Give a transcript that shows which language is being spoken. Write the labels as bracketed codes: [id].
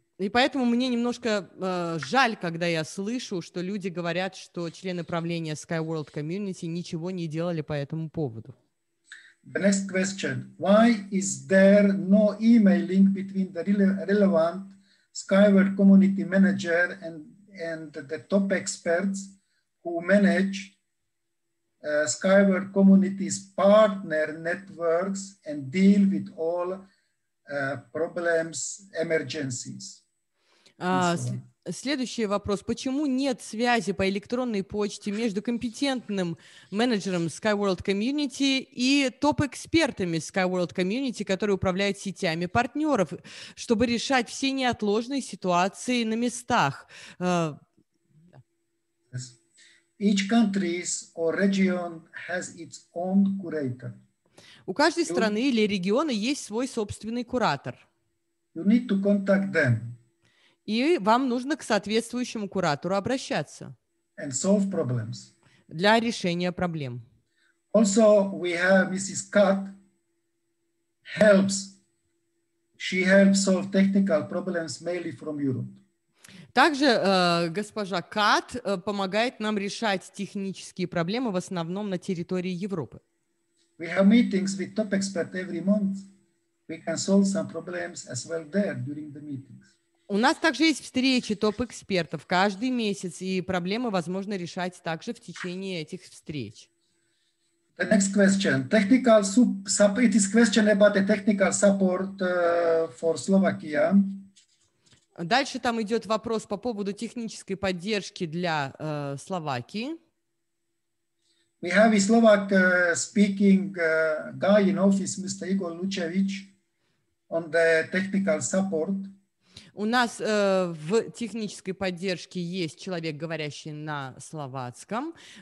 [ru] И поэтому мне немножко жаль, когда я слышу, что люди говорят, что члены правления Skyward community ничего не делали по этому поводу. [en] The next question. Why is there no email link between the relevant Skyward community manager and the top experts who manage Skyward Community's partner networks and deal with all problems, emergencies? [ru] Следующий вопрос. Почему нет связи по электронной почте между компетентным менеджером Skyworld Community и топ-экспертами Skyworld Community, которые управляют сетями партнеров, чтобы решать все неотложные ситуации на местах? [en] Each country or region has its own curator. [ru] У каждой страны или региона есть свой собственный куратор. [en] You need to contact them. [ru] И вам нужно к соответствующему куратору обращаться [en] and solve problems. [ru] Для решения проблем. [en] Also, we have Mrs. Kat helps. She helps solve technical problems mainly from Europe. [ru] Также госпожа Кат помогает нам решать технические проблемы в основном на территории Европы. [en] We have meetings with top experts every month. we can solve some problems as well there during the meetings. [ru] У нас также есть встречи топ-экспертов каждый месяц, и проблемы возможно решать также в течение этих встреч. [en] The next question. Technical support. It is question about the technical support for Slovakia. [ru] Дальше там идет вопрос по поводу технической поддержки для Словакии. [en] We have a Slovak speaking guy in office, Mr. Igor Lučević, on the technical support. [ru] У нас в технической поддержке есть человек, говорящий на словацком.